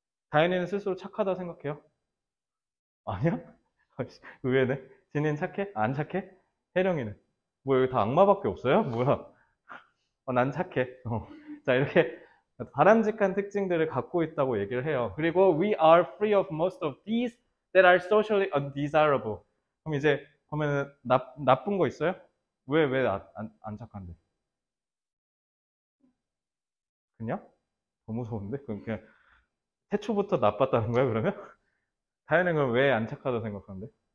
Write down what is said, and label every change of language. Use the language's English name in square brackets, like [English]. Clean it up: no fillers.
[Korean] 다현이는 스스로 착하다 생각해요? 아니야? 의외네. 지닌 착해? 안 착해? 혜령이는? 뭐 여기 다 악마밖에 없어요? 뭐야? 난 착해. 자, 이렇게 바람직한 특징들을 갖고 있다고 얘기를 해요. 그리고 [English] we are free of most of these that are socially undesirable. [Korean] 그럼 이제 보면은 나쁜 거 있어요? 왜 안 착한데? 그냥? 더 무서운데? 그럼 그냥 태초부터 나빴다는 거야, 그러면? 다현이는 그럼 왜안 착하다 생각하는데?